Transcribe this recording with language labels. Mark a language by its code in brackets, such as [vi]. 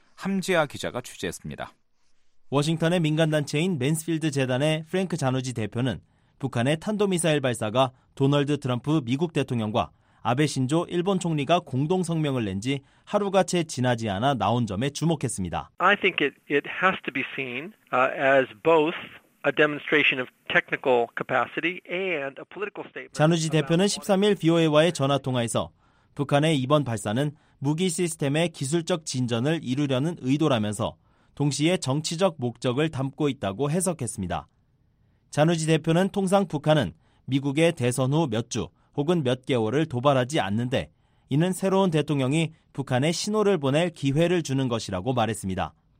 [ko] 함지아 기자가 취재했습니다. 워싱턴의 민간단체인 맨스필드 재단의 프랭크 자누지 대표는 북한의 탄도미사일 발사가 도널드 트럼프 미국 대통령과 아베 신조 일본 총리가 공동 성명을 낸 지 하루가 채 지나지 않아 나온 점에 주목했습니다. [en] I think it has to be seen as both a demonstration of technical capacity and a political statement. [ko] 자누지 대표는 13일 VOA와의 전화 통화에서 북한의 이번 발사는 무기 시스템의 기술적 진전을 이루려는 의도라면서 동시에 정치적 목적을 담고 있다고 해석했습니다. 자누지 대표는 통상 북한은 미국의 대선 후 몇 주 혹은 몇 개월을 도발하지 않는데 이는 새로운 대통령이 북한에 신호를 보낼 기회를 주는 것이라고 말했습니다.